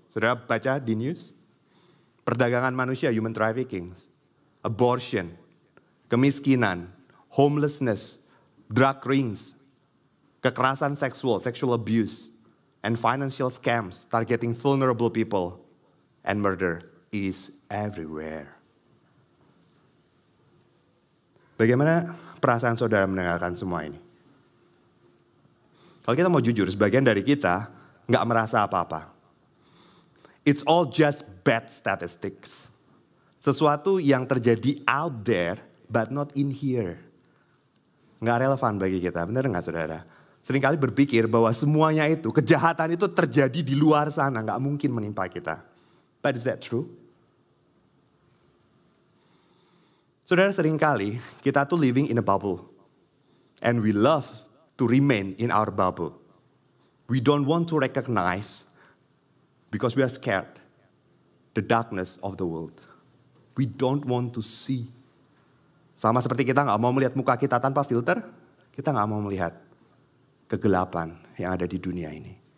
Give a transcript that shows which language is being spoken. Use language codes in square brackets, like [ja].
[id] Sudah baca di [en] news? [id] Perdagangan manusia, [en] human trafficking, abortion, [id] kemiskinan, [en] homelessness, drug rings, [id] kekerasan seksual, [en] sexual abuse, and financial scams targeting vulnerable people, and murder is everywhere. [id] Bagaimana perasaan saudara mendengarkan semua ini? Kalau kita mau jujur, sebagian dari kita gak merasa apa-apa. [en] It's all just bad statistics. [id] Sesuatu yang terjadi [en] out there, but not in here. [id] Gak relevan bagi kita, benar gak saudara? Seringkali berpikir bahwa semuanya itu, kejahatan itu terjadi di luar sana, gak mungkin menimpa kita. [en] But is that true? [id] Saudara, seringkali kita tuh [en] living in a bubble. And we love to remain in our bubble. We don't want to recognize because we are scared the darkness of the world. We don't want to see. [id] Sama seperti kita gak mau melihat muka kita tanpa filter, kita gak mau melihat kegelapan yang ada di dunia ini.